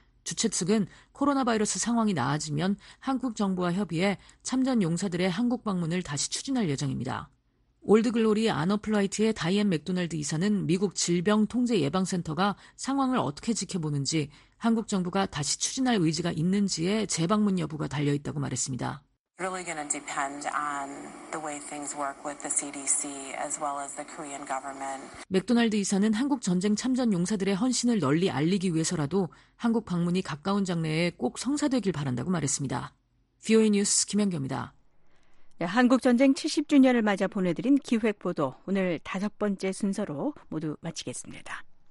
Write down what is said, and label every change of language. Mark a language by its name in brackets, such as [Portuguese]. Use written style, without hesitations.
[Korean] 주최 측은 코로나 바이러스 상황이 나아지면 한국 정부와 협의해 참전 용사들의 한국 방문을 다시 추진할 예정입니다. 올드글로리 아너플라이트의 다이앤 맥도날드 이사는 미국 질병통제예방센터가 상황을 어떻게 지켜보는지 한국 정부가 다시 추진할 의지가 있는지에 재방문 여부가 달려있다고 말했습니다. [English] Really going to depend on the way things work with the CDC as well as the Korean government. [Korean] 맥도날드 이사는 한국 전쟁 참전 용사들의 헌신을 널리 알리기 위해서라도 한국 방문이 가까운 장래에 꼭 성사되길 바란다고 말했습니다. VOA 뉴스 김연경입니다. 네, 한국 전쟁 70주년을 맞아 보내드린 기획 보도 오늘 다섯 번째 순서로 모두 마치겠습니다.